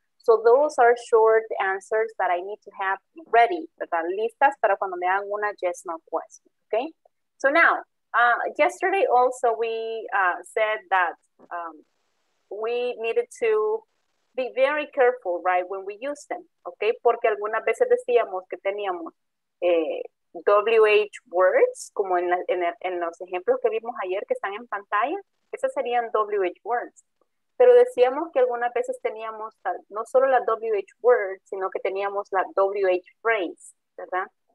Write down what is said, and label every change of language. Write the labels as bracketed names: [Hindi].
[English] So those are short answers that I need to have ready, ¿verdad? [Spanish] Listas para cuando me hagan una yes, no question. [English] Okay? So now, yesterday also we said that we needed to be very careful, right, when we use them. Okay? [Spanish] Porque algunas veces decíamos que teníamos WH words, como en los ejemplos que vimos ayer que están en pantalla. Esas serían WH words. Pero decíamos que algunas veces teníamos no solo la WH word, sino que teníamos la WH phrase, ¿verdad?